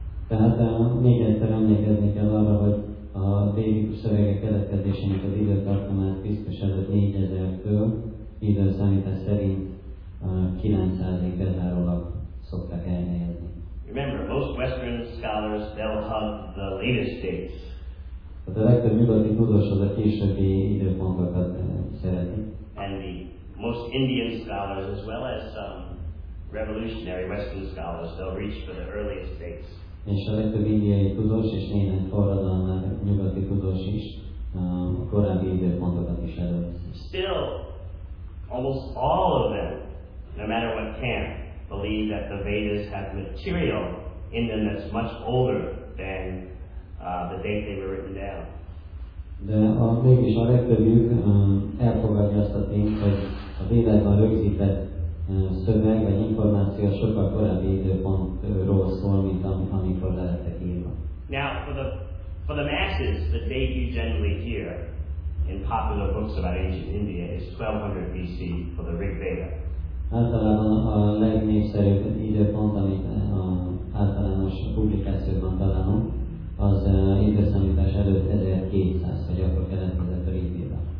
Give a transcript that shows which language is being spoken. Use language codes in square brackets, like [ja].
[en] Remember, most Western scholars, they'll hug the latest dates. [hu] A legtöbb nyugati tudós az a későbbi időpontokat szereti. [en] And the most Indian scholars, as well as some revolutionary Western scholars, they'll reach for the earliest dates. [hu] És a legtöbb indiai tudós és néhány forradalmi nyugati tudós is a korábbi időpontokat is előveszi. [en] Still, almost all of them, no matter what camp, believe that the Vedas have material in them that's much older than the date they were written down. [hu] De a mégis a legtöbbjük elfogadja azt a tényt, hogy a Védákban rögzített szöveg vagy információ sokkal korábbi időpontról szól, mint amikor le lettek írva. [en] Now for the masses, the date you generally hear in popular books about ancient India is 1200 BC for the Rig Veda. [hu] Általában a legnépszerűbb időpont, amit általános publikációban találunk, az időszámítás előtt 1200, vagy akkor keletkezett a régióban.